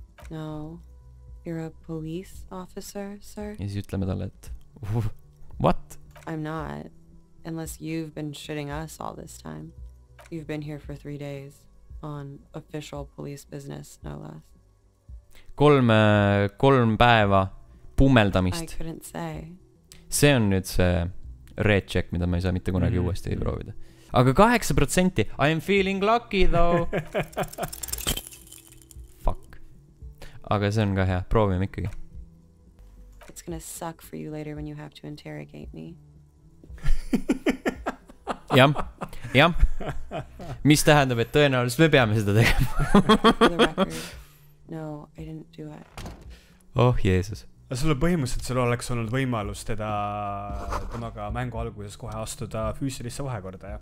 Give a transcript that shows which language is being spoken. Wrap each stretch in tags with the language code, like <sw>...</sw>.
<en>No, you're a police officer, sir.</en> <et>Ja siis ütleme talle, et what?</et> <en>I'm not, unless you've been shitting us all this time. You've been here for 3 days on official police business, no less.</en> <et>Kolm päeva pummeldamist.</et> <en>I couldn't say.</en> <et>See on nüüd see</et> <en>red check,</en> <et>mida ma ei saa mitte kunagi uuesti ei proovida.</et> <en>Aga 8%, I'm feeling lucky though.</en> <et>Fuck. Aga see on ka hea, proovime ikkagi.</et> <en>It's gonna suck for you later when you have to interrogate me.</en> <et>Jah. Mis tähendab, et tõenäoliselt me peame seda tegema.</et> <en>No, I didn't do it.</en> <et>Oh, Jeesus. Sulle põhimõtteliselt sul oleks olnud võimalus teda temaga mängu alguses kohe astuda füüsilisse vahekorda, jah?</et>